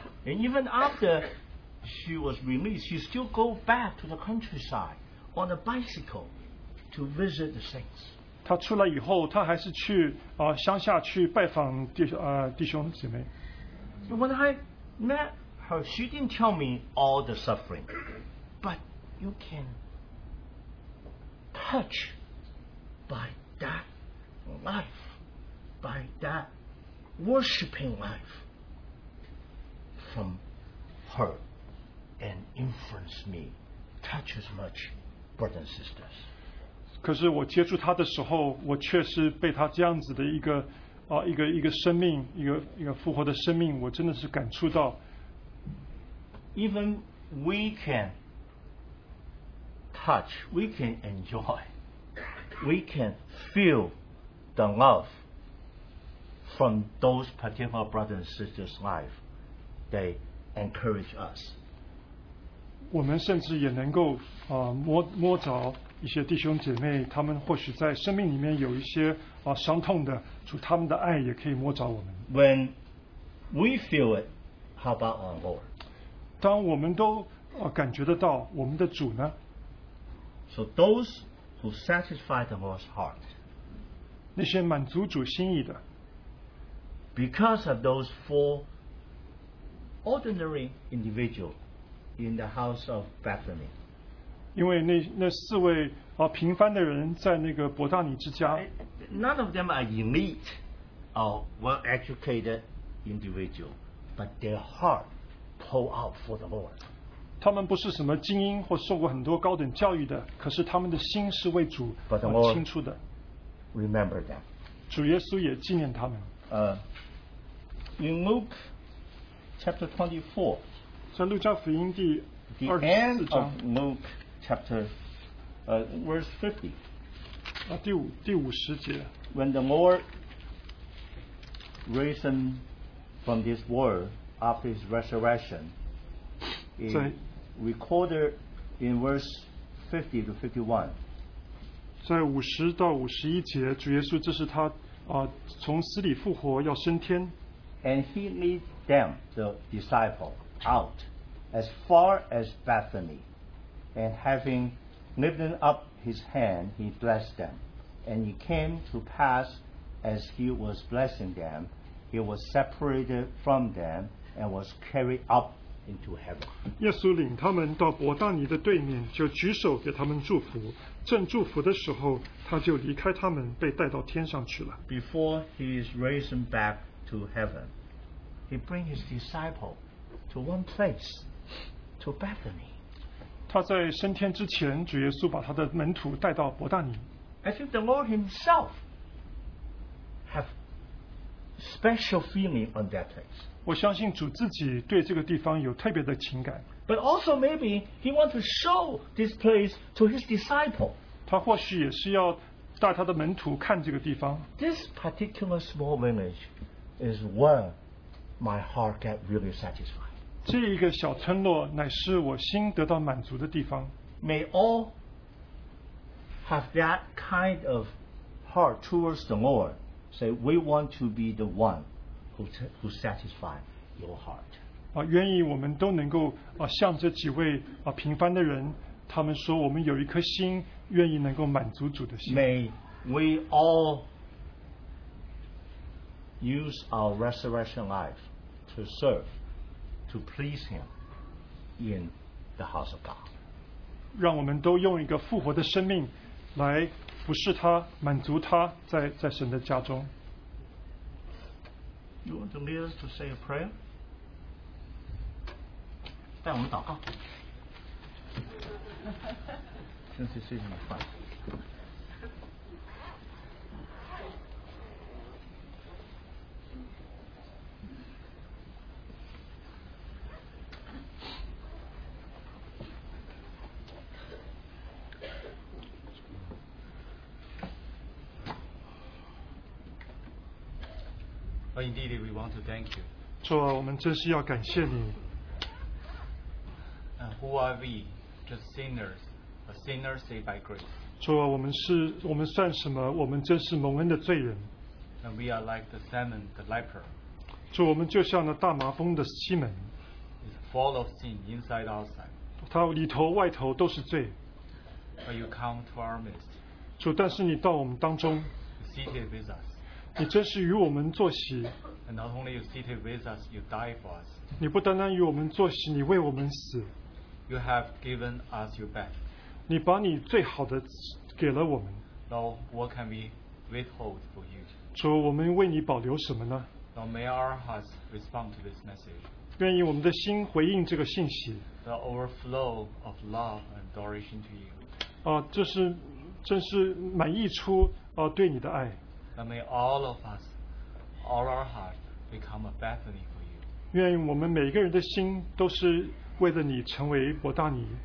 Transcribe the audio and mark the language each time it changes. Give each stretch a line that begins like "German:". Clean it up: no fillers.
English: And even after she was released, she still go back to the countryside on a bicycle to visit the saints.
Chinese: 她出来以后, 她还是去, 乡下去拜访, 弟兄姐妹。
English: When I met her, she didn't tell me all the suffering, but you can touch by that life, by that worshiping life from her and influence me, touch as much brothers and sisters.
Chinese: 可是我接触她的时候, 我确实被她这样子的一个, 一个生命, 一个复活的生命, 我真的是感触到。
English: Even we can touch, we can enjoy, we can feel the love from those particular brothers and sisters' life. They encourage us.
Chinese: 我们甚至也能够, 摸着一些弟兄姐妹, 他们或许在生命里面有一些, 伤痛的, 主他们的爱也可以摸着我们。
English: When we feel it, how about our Lord?
Chinese: 当我们都, 感觉得到, 我们的主呢?
English: So those who satisfy the Lord's heart,
Chinese: 那些满足主心意的,
English: because of those four ordinary individuals in the house of Bethany,
Chinese: 因为那四位, 平凡的人在那个伯大尼之家,
English: none of them are elite or well-educated individuals, but their heart pull out for the Lord.
Chinese: 他们不是什么精英或受过很多高等教育的，可是他们的心是为主清楚的。
English: Remember them.
Chinese: 主耶稣也纪念他们。
English: In Luke chapter 24,
Chinese: 在路加福音第二十四章
English: ，Luke chapter verse 50.
Chinese: 第五十节。
English: When the Lord risen from this world after his resurrection, is recorded in verse 50 to 51.
Chinese: 在五十到五十一节，主耶稣这是他从死里复活要升天。
English: And he led them, the disciple, out as far as Bethany, and having lifted up his hand, he blessed them. And it came to pass, as he was blessing them, he was separated from them and was carried up into heaven.
Chinese: 耶稣领他们到伯大尼的对面，就举手给他们祝福。正祝福的时候，他就离开他们，被带到天上去了。
English: Before he is raised back to heaven, he bring his disciple to one place, to Bethany.
Chinese: 他在升天之前，主耶稣把他的门徒带到伯大尼。
English: As if the Lord himself have special feeling on that place.
Chinese: 我相信主自己对这个地方有特别的情感。
English: But also maybe he wants to show this place to his disciple.
Chinese: 他或许也是要带他的门徒看这个地方。
English: This particular small village is where my heart gets really satisfied.
Chinese: 这一个小村落乃是我心得到满足的地方。
English: May all have that kind of heart towards the Lord. Say, we want to be the one who satisfies your heart.
Chinese: 愿意我们都能够向这几位平凡的人，他们说我们有一颗心，愿意能够满足主的心。
English: May we all use our resurrection life to serve, to please Him in the house of God.
Chinese: 让我们都用一个复活的生命来服侍他，满足他在神的家中。
English: You want to lead us to say a prayer?
Chinese: 带我们祷告。真是谢谢你们。
English: Indeed, we want to thank you.
Chinese: 主啊，我们真是要感谢你。
English: Who are we? Just sinners, a sinner saved by grace.
Chinese: 主啊，我们算什么？我们真是蒙恩的罪人。
English: And we are like the Simon, the leper.
Chinese: 主，我们就像那大麻风的西门。
English: It's full of sin, inside outside.
Chinese: 它里头外头都是罪。
English: But you come to our midst.
Chinese: 主，但是你到我们当中。
English: You sit here with us.
Chinese: 你真是与我们坐席。
English: And not only you sit with us, you die for us.
Chinese: 你不单单与我们坐席，你为我们死。
English: You have given us your best.
Chinese: 你把你最好的给了我们。
English: Lord, what can we withhold for you?
Chinese: 主，我们为你保留什么呢？
English: Lord, may our hearts respond to this message.
Chinese: 愿意我们的心回应这个信息。
English: The overflow of love and adoration to you.
Chinese: 这是满溢出对你的爱。
English: And may all of us, all our hearts, become a Bethany for you.
Chinese: 愿我们每个人的心都是为了你成为伯大尼。